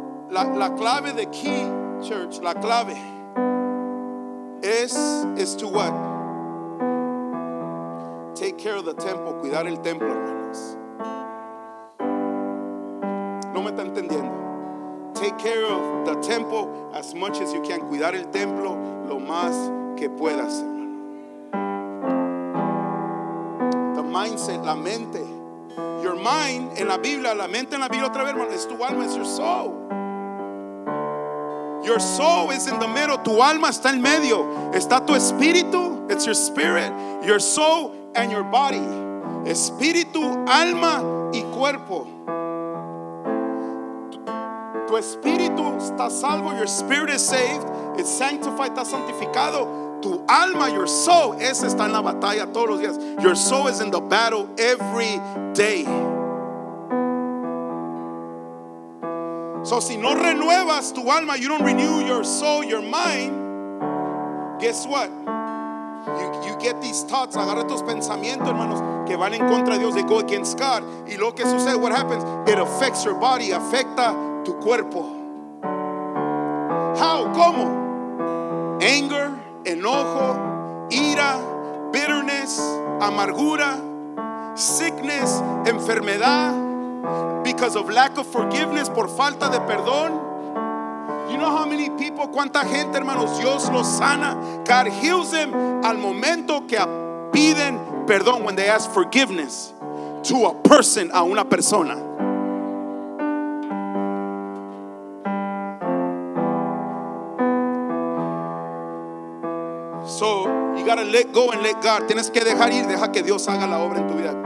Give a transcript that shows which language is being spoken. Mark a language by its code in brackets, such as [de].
[es] La clave, [en] the key, church, [es] la clave [en] is to what? Take care of the temple, [es] cuidar el templo, hermanos. No me está entendiendo. [en] Take care of the temple as much as you can. [es] Cuidar el templo lo más que puedas, hermano. [en] The mindset, [es] la mente. [en] Your mind [es] en la Biblia, la mente en la Biblia otra vez, hermano, es tu alma, es [en] your soul. Your soul is in the middle. [es] Tu alma está en medio. Está tu espíritu, [en] it's your spirit. Your soul and your body. [es] Espíritu, alma y cuerpo. Tu espíritu está salvo. [en] Your spirit is saved. It's sanctified. [es] Está santificado. Tu alma, [en] your soul, [es] esa está en la batalla todos los días. [en] Your soul is in the battle every day. So [es] si no renuevas tu alma, [en] you don't renew your soul, your mind. Guess what? You get these thoughts. [es] Agarra tus pensamientos, hermanos, que van en contra de Dios. [en] They go against God. [es] Y lo que sucede, [en] what happens? It affects your body. [es] Afecta tu cuerpo. [en] How? [es] ¿Cómo? Anger, enojo, ira, bitterness, amargura, sickness, enfermedad, [en] because of lack of forgiveness, [es] por falta de perdón. [en] You know how many people, [es] cuánta gente, hermanos, Dios los sana. [en] God heals them [es] al momento que piden perdón, [en] when they ask forgiveness to a person, [es] a una persona. [en] So you gotta let go and let God. [es] Tienes que dejar ir, deja que Dios haga la obra en tu vida.